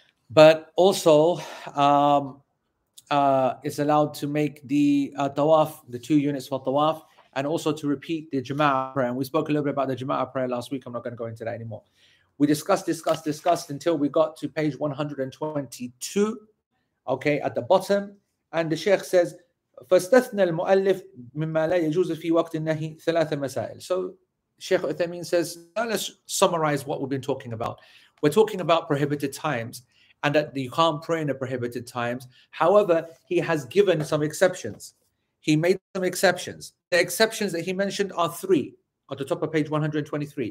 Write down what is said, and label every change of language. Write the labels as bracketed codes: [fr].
[en] But also, it's allowed to make the tawaf, the two units for tawaf, and also to repeat the jama'ah prayer. And we spoke a little bit about the jama'ah prayer last week. I'm not going to go into that anymore. We discussed until we got to page 122. Okay, at the bottom, and the Sheikh says, [ar] فَاسْتَثْنَى الْمُؤَلِّفْ مِمَّا لَا يَجُوزُ فِي وَقْتِ النَّهِ ثَلَاثَ مَسَائِلِ. [en] So Sheikh Uthaymeen says, now let's summarize what we've been talking about. We're talking about prohibited times, and that you can't pray in the prohibited times. However, he has given some exceptions. He made some exceptions. The exceptions that he mentioned are three, at the top of page 123.